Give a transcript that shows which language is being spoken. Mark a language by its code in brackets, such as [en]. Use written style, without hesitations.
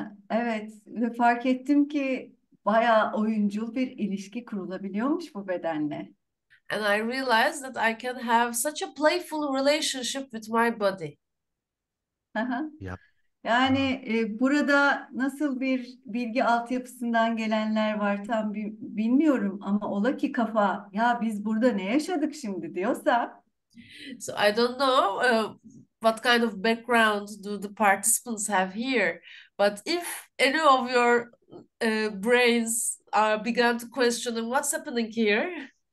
[tr] Evet, fark ettim ki bayağı oyuncul bir ilişki kurulabiliyormuş bu bedenle. [en] And I realized that I can have such a playful relationship with my body. Yep. [tr] Yani burada nasıl bir bilgi altyapısından gelenler var tam bilmiyorum ama ola ki kafa ya biz burada ne yaşadık şimdi diyorsa. [en] So I don't know what kind of background do the participants have here, but if any of your brains began to question what's happening here.